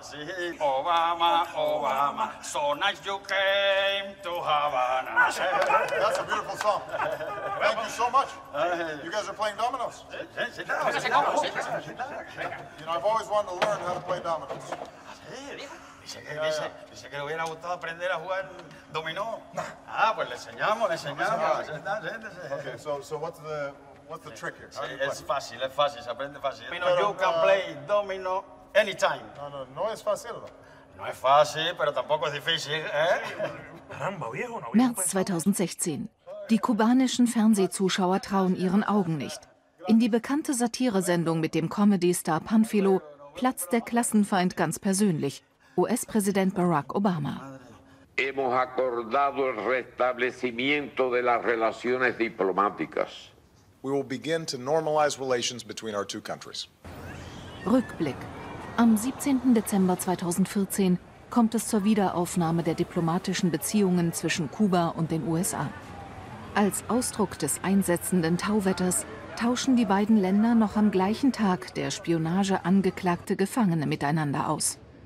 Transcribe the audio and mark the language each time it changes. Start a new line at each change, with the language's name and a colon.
English: Sí, Obama, Obama, so nice you came to Havana. That's a beautiful song. Thank you so much. You guys are playing dominoes? You know, I've always wanted to learn how to play dominoes.
Spanish: Dice que le hubiera gustado aprender a jugar dominó. Ah, pues le enseñamos.
English: Okay, so what's the trick here?
Spanish: Es fácil, se aprende fácil.
English: Pero, you can play domino anytime.
Spanish: No es fácil. No es fácil, pero tampoco es difícil, ¿eh? Caramba, viejo, no.
German: März 2016. Die kubanischen Fernsehzuschauer trauen ihren Augen nicht. In die bekannte Satiresendung mit dem Comedy-Star Panfilo platzt der Klassenfeind ganz persönlich. US-Präsident Barack Obama.
Spanish: Hemos acordado el restablecimiento de las relaciones diplomáticas.
English: We will begin to normalize relations between our two countries.
German: Rückblick. Am 17. Dezember 2014 kommt es zur Wiederaufnahme der diplomatischen Beziehungen zwischen Kuba und den USA. Als Ausdruck des einsetzenden Tauwetters tauschen die beiden Länder noch am gleichen Tag der Spionage angeklagte Gefangene miteinander aus.